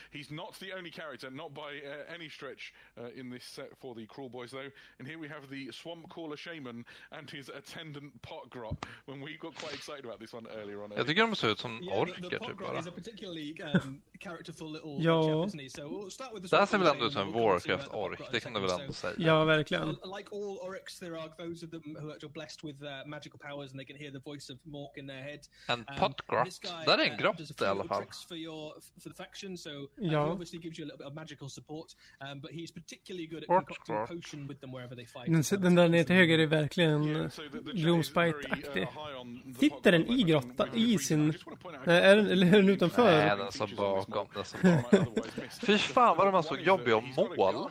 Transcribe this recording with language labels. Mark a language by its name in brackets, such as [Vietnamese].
[English] He's not the only character, not by any stretch, in this set for the Crawl Boys, though. And here we have the Swamp Caller Shaman and his attendant Potgrot, when we got quite excited about this one earlier on. [Swedish] Jag tycker de ser ut som orker, typ bara. Ja, det här ser väl ändå ut som en Warcraft-ork, det kan du väl ändå säga. Ja, verkligen. [English] Like all orcs, there are those of them who are blessed with magical powers and they can hear the voice of Mork in their head. [Swedish] And Potgrot, det är en grott i alla fall. [English] For the faction, so ja. He obviously gives you a little bit of magical support, but he's particularly good at concocting a potion with them wherever they fight. [Swedish] Den där ner till höger är verkligen Gloomspite-aktig. Sitter den i grottan, i sin... Eller är den utanför? Nej, den som bakom, den som bakom. Fy fan, vad de har så jobbiga att måla.